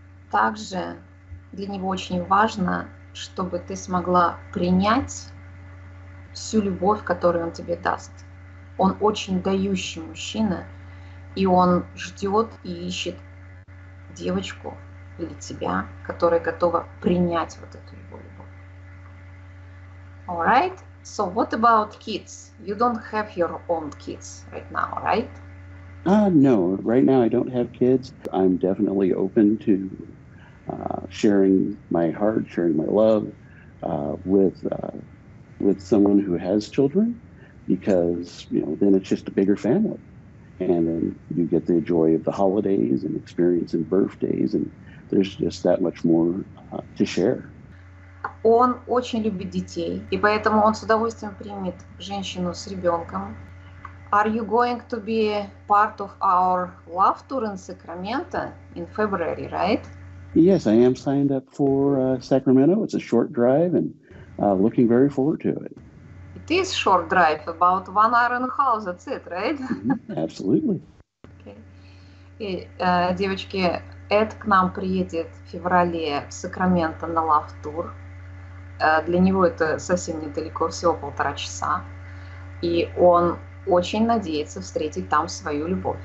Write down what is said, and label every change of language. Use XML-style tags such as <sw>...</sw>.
<ru>Также для него очень важно, чтобы ты смогла принять всю любовь, которую он тебе даст. Он очень дающий мужчина, и он ждет и ищет девочку или тебя, которая готова принять вот эту его любовь.</ru> <en>All right? So what about kids? You don't have your own kids right now, right? No, right now I don't have kids. I'm definitely open to sharing my heart, sharing my love with someone who has children, because you know, then it's just a bigger family. And then you get the joy of the holidays and experiencing birthdays, and there's just that much more to share.</en> <ru>Он очень любит детей, и поэтому он с удовольствием примет женщину с ребенком.</ru> <en>Are you going to be part of our love tour in Sacramento in February, right? Yes, I am signed up for Sacramento. It's a short drive, and looking very forward to it. It is short drive, about 1 hour and a half, that's it, right? Absolutely. Okay.</en> <ru>И, девочки, Эд к нам приедет в феврале в Сакраменто на love tour. Для него это совсем недалеко, всего 1.5 часа. И он очень надеется встретить там свою любовь.</ru>